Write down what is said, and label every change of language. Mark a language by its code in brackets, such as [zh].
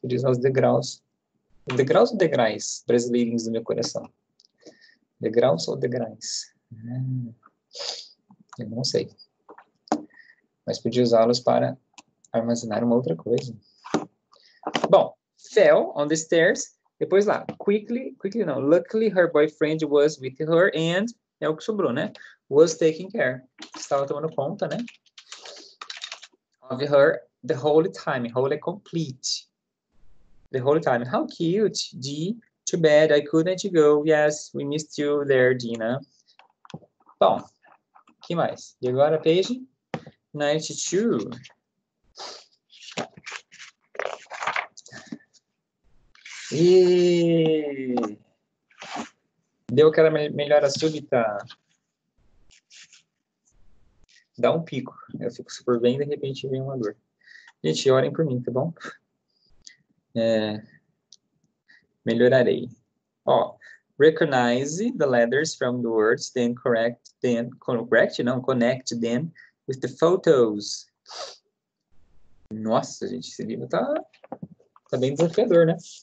[pt] Eu diz aos degraus. Degraus ou degrais? Brasileirinhos do meu coração. Degraus ou degrais? Eu não sei. Mas podia usá-los para armazenar uma outra coisa. [en] Bom, fell on the stairs. [pt] Depois lá, [en] quickly não. Luckily, her boyfriend was with her and, [pt] é o que sobrou, né? [en] Was taking care. [pt] Estava tomando conta, né? [en] Of her the whole time. Whole complete. The whole time. How cute. G, too bad I couldn't go. Yes, we missed you there, Dina. [pt] Bom, o que mais? E agora, [en] page 92. [pt] E... deu aquela melhora súbita. Dá um pico. Eu fico super bem e de repente vem uma dor. Gente, orem por mim, tá bom? Melhorarei. [en] Ó, recognize the letters from the words, then correct them. Connect them with the photos. [pt] Nossa, gente, esse livro tá bem desafiador, né?